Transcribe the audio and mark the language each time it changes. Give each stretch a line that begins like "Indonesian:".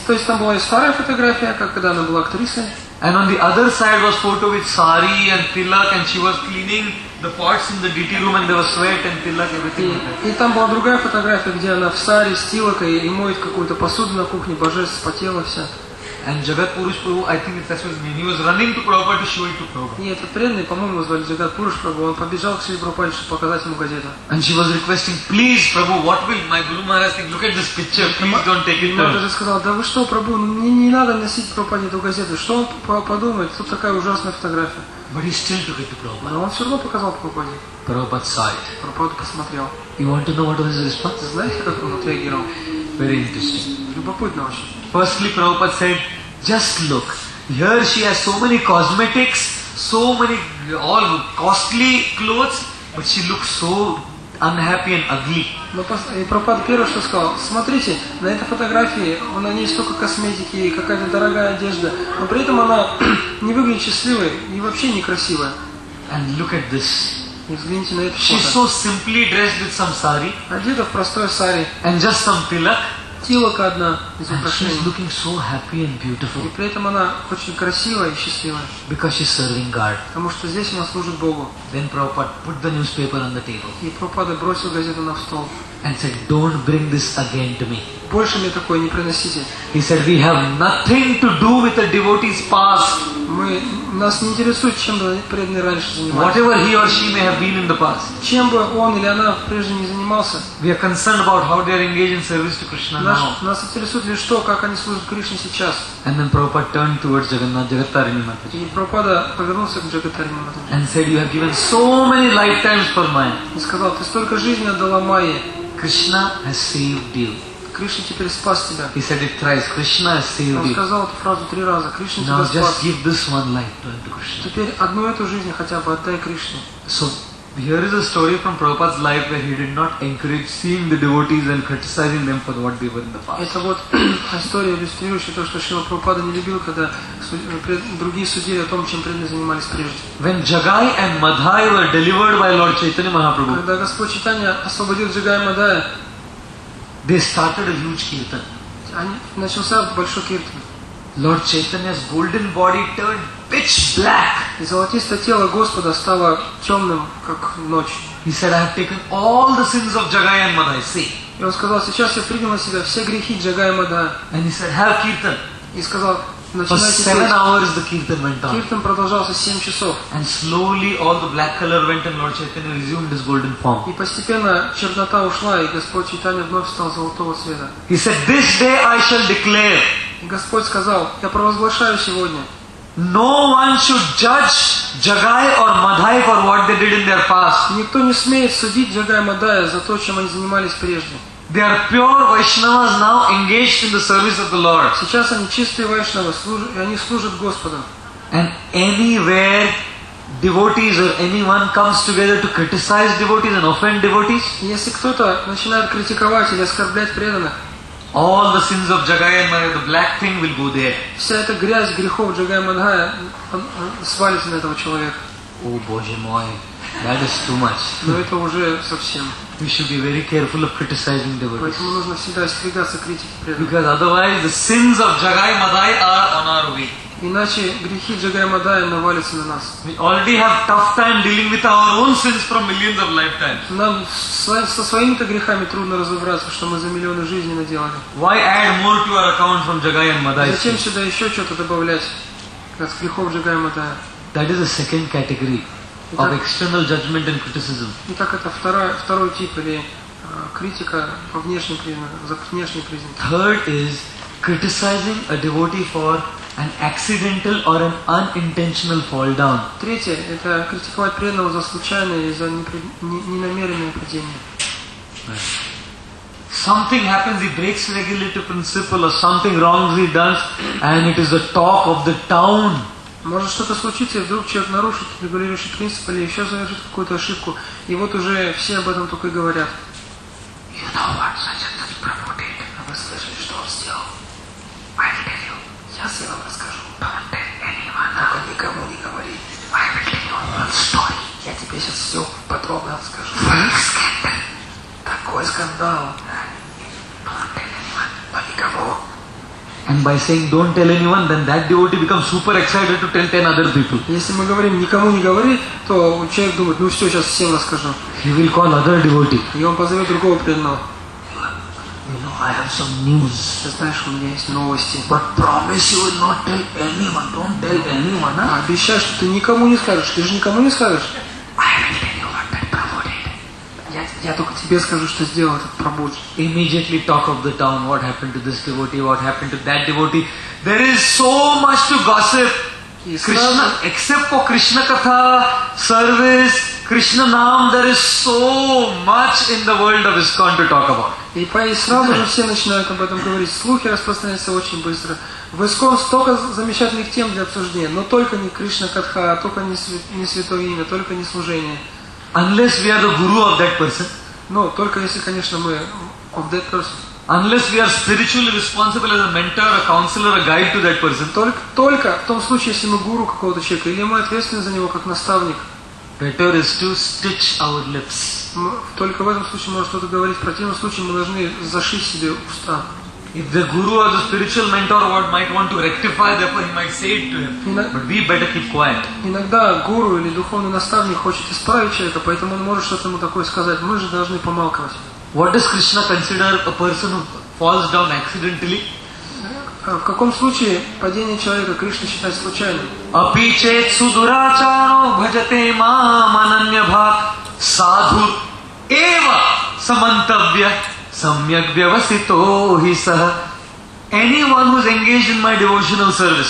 Russian: То есть там была и старая фотография, как когда она была актрисой.
English: And on the other side was photo with sari and tilak, and she was cleaning the pots in the deity room, and there was sweat and tilak, everything.
Russian: И там была другая фотография, где она в сари с тилакой и моет какую-то посуду на кухне, божественно потела вся.
English: And Jagat Purush Prabhu, I think that's what his name. He was running to Prabhupada to show it to Prabhupada.
Russian: Нет, это преданный, по-моему, звали Jagat Purush Prabhu. Он побежал к Шри Прабхупаде, чтобы показать ему газету.
English: And she was requesting, please, Prabhu, what will my Guru Maharaj think? Look at this picture. Please don't take it down.
Russian: Матаджи сказал, да вы что, Прабху, не надо носить Прабхупаде эту газету. Что он подумает? Тут такая ужасная фотография.
English: But he still took it to Prabhupada.
Russian: Но он все равно показал Прабхупаде.
English: Prabhupada saw it.
Russian: Прабхупада посмотрел.
English: You want to know what was his response?
Russian: Знаете, как он отреагировал?
English: Very interesting.
Russian: Любопытно очень.
English: Firstly, Prabhupada said, just look, here she has so many cosmetics, so many all costly clothes, but she looks so unhappy and ugly.
Russian: И Прабхупада первое, что сказал, смотрите, на этой фотографии на ней столько косметики и какая-то дорогая одежда, но при этом она не выглядит счастливой и вообще некрасивая.
English: And look at this.
Russian: И взгляните на это фото.
English: She's so simply dressed with some sari.
Russian: Одета в простой сари.
English: And just some tilak.
Russian: Тилок одна.
English: She's looking so happy and beautiful.
Russian: И при этом она очень красивая и счастливая.
English: Because she's serving God.
Russian: Потому что здесь она служит Богу.
English: Then Prabhupada put the newspaper on the table.
Russian: И Прабхупада бросил газету на стол.
English: And said, "Don't bring this again to me."
Russian: Больше мне такое не приносите.
English: He said, "We have nothing to do with the devotee's past."
Russian: Мы нас не интересует, чем преданный раньше занимался.
English: Whatever he or she may have been in the past.
Russian: Чем бы он или она прежде не занимался.
English: We are concerned about how they are engaged in service to Krishna now.
Russian: Нас интересует лишь то, как они служат Кришне сейчас.
English: And then Prabhupada turned towards Jagannath, Jagattarini Mataji.
Russian: И Прабхупада повернулся к Джагаттарини Матаджи.
English: And said, "You have given so many lifetimes for Maya."
Russian: И сказал, "Ты столько жизни отдала Майе."
English: Krishna has saved you.
Russian: Кришна теперь спас тебя.
English: He said it thrice. Krishna has saved you.
Russian: Он сказал эту фразу три раза. Кришна тебя спас.
English: Now just give this one life to Krishna.
Russian: Теперь одну эту жизнь хотя бы отдай Кришне.
English: So here is a story from Prabhupada's life where he did not encourage seeing the devotees and criticizing them for what they were in the past.
Russian: Это вот история, иллюстрирующая то, что Шрила Прабхупада не любил, когда другие судили о том, чем преданные занимались прежде.
English: When Jagai and Madhai were delivered by Lord Chaitanya Mahaprabhu,
Russian: когда Господь Чайтанья освободил Джагая и Мадхая,
English: they started a huge kirtan.
Russian: Начался большой киртан.
English: Lord Chaitanya's golden body turned pitch black.
Russian: И золотистое тело Господа стало темным, как ночь.
English: He said, "I have taken all the sins of Jagai and Madhai." See.
Russian: И он сказал: "Сейчас я принял на себя все грехи Джагая и Мадхая."
English: And he said, "Have kirtan."
Russian: И сказал:
English: For 7 hours the kirtan went on.
Russian: Kirtan продолжался 7 часов.
English: And slowly all the black color went and Lord Chaitanya resumed his golden form.
Russian: И постепенно чернота ушла, и Господь Чайтанья вновь стал золотого цвета.
English: He said, "This day I shall declare."
Russian: И Господь сказал: "Я провозглашаю сегодня."
English: No one should judge Jagai or Madhai for what they did in their past.
Russian: Никто не смеет судить Джагая и Мадхая за то, чем они занимались прежде.
English: They are pure Vaishnavas now engaged in the service of the Lord.
Russian: Сейчас они чистые вайшнавы, и они служат Господу.
English: And anywhere devotees or anyone comes together to criticize devotees and offend devotees,
Russian: если кто-то начинает критиковать или оскорблять преданных,
English: all the sins of Jagai and Madhai, the black thing will go there.
Russian: Вся эта грязь грехов Джагая и Мадхая свалится на этого человека. О, Боже мой,
English: that is too much.
Russian: Но это уже совсем.
English: We should be very careful of criticizing devotees.
Russian: Поэтому нужно всегда остерегаться критики преданных.
English: Because otherwise the sins of Jagai and Madhai are on our way.
Russian: Иначе грехи Джагая и Мадхая навалятся на нас.
English: We already have tough time dealing with our own sins from millions of lifetimes.
Russian: Нам со своими-то грехами трудно разобраться, что мы за миллионы жизней наделали.
English: Why add more to our account from Jagai and Madhai?
Russian: Зачем сюда еще что-то добавлять от грехов Джагая и Мадхая?
English: That is the second category. Of external judgment and criticism.
Russian: Итак, это второй тип или критика по внешним признакам, за внешние признаки.
English: Third is criticizing a devotee for an accidental or an unintentional fall down.
Russian: Третье это критиковать преданного за случайное или за ненамеренное падение.
English: Something happens, he breaks regulative principle, or something wrong he does, and it is the talk of the town.
Russian: Может что-то случиться, и вдруг человек нарушит регулирующий принцип или еще совершит какую-то ошибку, и вот уже все об этом только и говорят.
English: You know what, Sajjanath Prabhu did.
Russian: Вы слышали, что он сделал?
English: I'll tell you.
Russian: Сейчас я вам расскажу.
English: Don't tell anyone.
Russian: Только никому не говори.
English: I will tell you one story.
Russian: Я тебе сейчас все подробно расскажу.
English: Fake scandal.
Russian: Такой скандал.
English: Don't tell anyone.
Russian: Но никому.
English: And by saying don't tell anyone, then that devotee becomes super excited to tell 10 other people.
Russian: Если мы говорим никому не говори, то человек думает, ну все, сейчас всем расскажу.
English: He will call other devotee.
Russian: И он позовет другого преданного.
English: You know I have some news.
Russian: Ты знаешь, у меня есть новости.
English: But promise you will not tell anyone. Don't tell anyone, huh?
Russian: Обещай, что ты никому не скажешь. Ты же никому не скажешь.
English: I will tell you what that prabhuji.
Russian: Я только тебе скажу, что сделал этот прабуджи.
English: Immediately talk of the town. What happened to this devotee? What happened to that devotee? There is so much to gossip. Krishna, except for Krishna Katha, service, Krishna Naam, there is so much in the world of ISKCON to talk about.
Russian: И сразу же все начинают об этом говорить. Слухи распространяются очень быстро. В ИСККОН столько замечательных тем для обсуждения, но только не Кришна Катха, только не святое имя, только не служение.
English: Unless we are the guru of that person.
Russian: Но только если, конечно, мы
English: of that person. Unless we are spiritually responsible as a mentor, a counselor, a guide to that person.
Russian: Только в том случае, если мы гуру какого-то человека, или мы ответственны за него как наставник.
English: Better is to stitch our lips.
Russian: Только в этом случае можно что-то говорить. В противном случае мы должны зашить себе уста.
English: If the guru or the spiritual mentor might want to rectify, therefore he might say it to him. But we better keep quiet.
Russian: Иногда гуру или духовный наставник хочет исправить человека, поэтому он может что-то ему такое сказать. Мы же должны помалкивать.
English: What does Krishna consider a person who falls down accidentally?
Russian: В каком случае падение человека Кришна считает случайным?
Sanskrit: Апичет судурачаро бхажате мам ананья бхак садху эва самантавья самьяк вьявасито хи саха.
English: Anyone who is engaged in my devotional service.